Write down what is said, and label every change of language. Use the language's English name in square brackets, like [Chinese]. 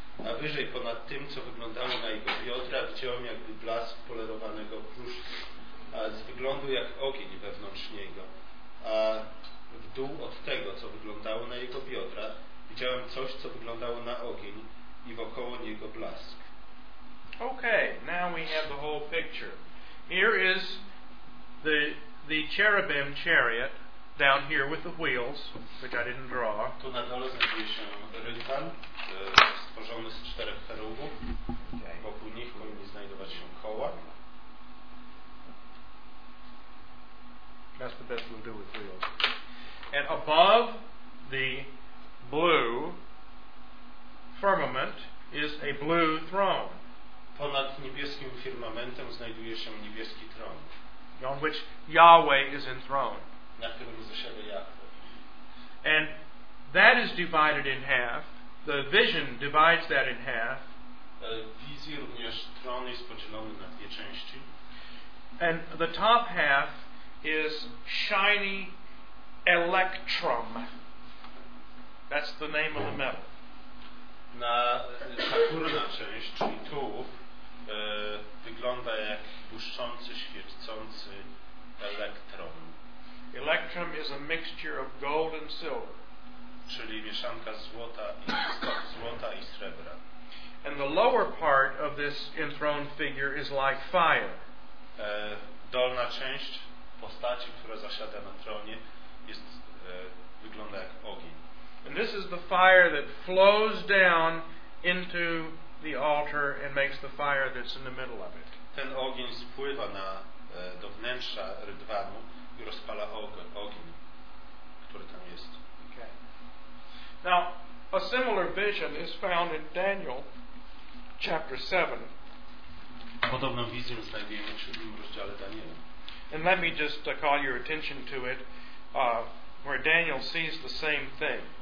[Polish] A wyżej ponad tym, co wyglądało na jego biodra, widziałem jakby blask polerowanego pruszku, a z wyglądu jak ogień wewnątrz niego. A w dół od tego, co wyglądało na jego biodra, widziałem coś, co wyglądało na ogień i wokoło niego blask. [English] Okay, now we have the whole picture. Here is the cherubim chariot down here with the wheels, which I didn't draw. [Polish] Tu na dole znajduje się rytan, stworzony z czterech cherubów. Okay. Wokół nich powinni znajdować się koła. [English] That's the best we'll do with wheels. And above the blue firmament is a blue throne. [Polish] Ponad niebieskim firmamentem znajduje się niebieski tron. [English] On which Yahweh is enthroned. [Polish] Na którym zasiada Yahweh. [English] And that is divided in half. The vision divides that in half. [Polish] Wizji również tron jest podzielony na dwie części. [English] And the top half is shiny electrum. That's the name of the metal. [Polish] Na ta górna część, czyli tu, wygląda jak błyszczący, świecący elektron. [English] Electrum is a mixture of gold and silver. [Polish] Czyli mieszanka złota i srebra. [English] And the lower part of this enthroned figure is like fire. [Polish] Dolna część postaci, która zasiada na tronie, jest wygląda jak ogień. [English] And this is the fire that flows down into the altar and makes the fire that's in the middle of it. [Polish] Ten ogień spływa na do wnętrza rydwanu i rozpala ogień, który tam jest. [English] Okay. Now, a similar vision is found in Daniel chapter 7. [Polish] Podobną wizję znajdujemy w 7 rozdziale Daniela. [English] And let me just call your attention to it, where Daniel sees the same thing.